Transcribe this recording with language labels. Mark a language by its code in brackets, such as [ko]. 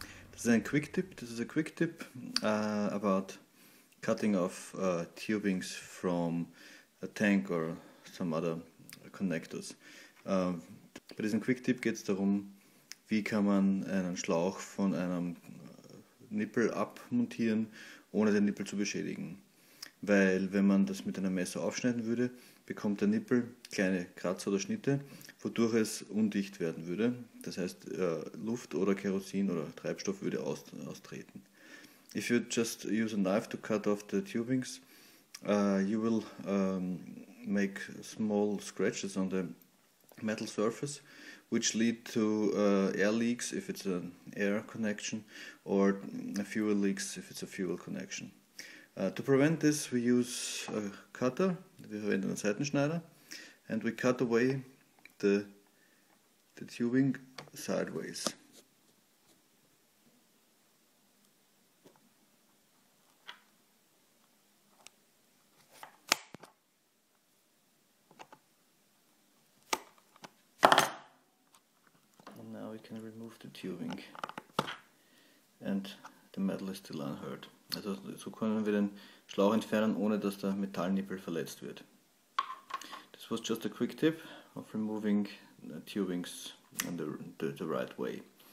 [en] This is a quick tip about cutting off tubings from a tank or some other connectors. [de] Bei diesem Quick Tip geht es darum, wie kann man einen Schlauch von einem Nippel abmontieren, ohne den Nippel zu beschädigen. Weil wenn man das mit einem Messer aufschneiden würde, bekommt der Nippel kleine Kratzer oder Schnitte, wodurch es undicht werden würde. Das heißt, Luft oder Kerosin oder Treibstoff würde austreten. [en] If you just use a knife to cut off the tubings, you will make small scratches on the metal surface, which lead to air leaks if it's an air connection, or fuel leaks if it's a fuel connection. To prevent this, we use a cutter, [de] wir verwenden einen Seitenschneider, [en] and we cut away the tubing sideways. And now we can remove the tubing. And the metal is still unhurt. [de] Also so können wir den Schlauch entfernen, ohne dass der Metallnippel verletzt wird. [en] This was just a quick tip of removing the tubings in the right way.